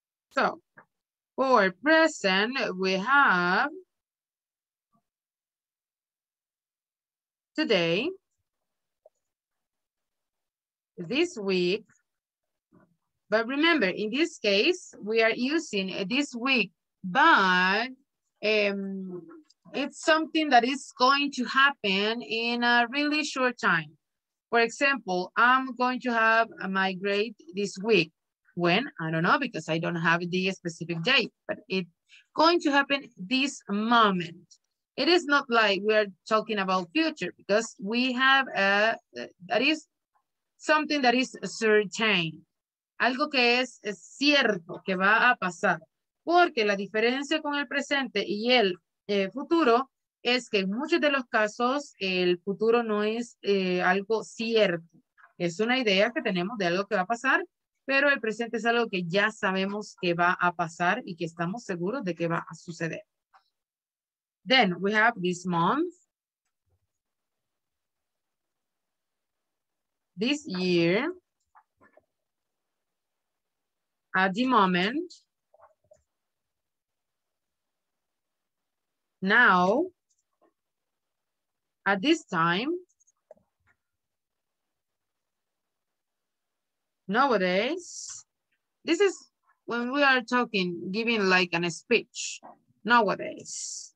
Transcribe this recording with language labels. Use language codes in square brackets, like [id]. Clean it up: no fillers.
[en] So for present, we have today, this week, but remember, in this case, we are using this week, but it's something that is going to happen in a really short time. For example, I'm going to have my grade this week. When? I don't know because I don't have the specific date, but it's going to happen this moment. It is not like we're talking about future because we have a, that is something that is certain. [es] Algo que es cierto, que va a pasar. Porque la diferencia con el presente y el futuro es que en muchos de los casos el futuro no es algo cierto. Es una idea que tenemos de algo que va a pasar, pero el presente es algo que ya sabemos que va a pasar y que estamos seguros de que va a suceder. [en] Then we have this month, this year, at the moment, now, at this time, nowadays, this is when we are talking, giving like a speech, nowadays.